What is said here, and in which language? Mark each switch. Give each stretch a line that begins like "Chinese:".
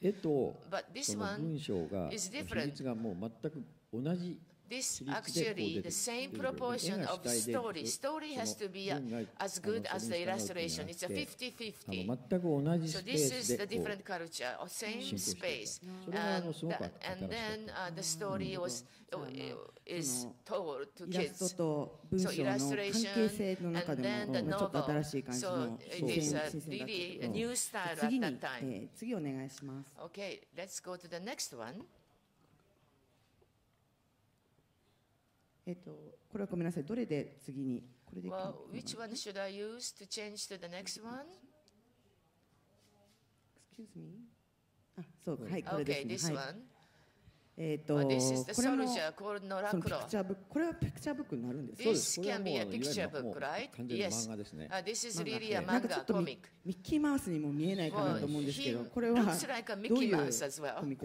Japanese: 絵とその文章が比率がもう全く同じ。
English: This actually the same proportion of story. Story has to be as good as the illustration. It's a 50-50. So this is the different culture, same space. And then the story was, is told to kids. So illustration, and then the novel. So it is a really new style at that time. Okay, let's go to the next one.
Japanese: これはごめんなさい。どれで次にこれで。
English: Well, which one should I use to change to the next one? Excuse me.
Japanese: あ、そう、はい、これですね。
English: Okay, this one. This is the soldier called Noracro.
Japanese: これはピクチャーブックになるんです。
English: This can be a picture book, right? Yes. This is really a manga comic.
Japanese: ミッキーマウスにも見えないかなと思うんですけど、これはどういうコミック？